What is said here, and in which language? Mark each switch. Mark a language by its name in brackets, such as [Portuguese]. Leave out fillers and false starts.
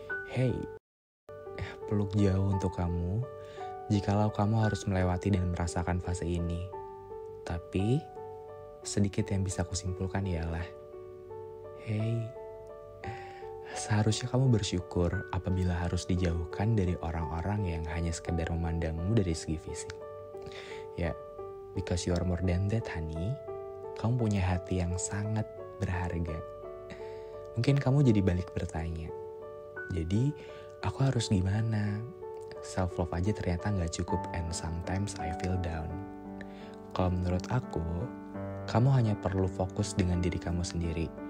[Indonesian] Hey, peluk jauh untuk kamu jikalau kamu harus melewati dan merasakan fase ini. Tapi sedikit yang bisa kusimpulkan ialah, hey, seharusnya kamu bersyukur apabila harus dijauhkan dari orang-orang yang hanya sekedar memandangmu dari segi fisik. [English] Ya, because you are more than that, honey. [Indonesian] Kamu punya hati yang sangat berharga. Mungkin kamu jadi balik bertanya, jadi aku harus gimana? [English] Self love [Indonesian] aja ternyata gak cukup [English] and sometimes I feel down. [Indonesian] Kalau menurut aku, kamu hanya perlu fokus dengan diri kamu sendiri.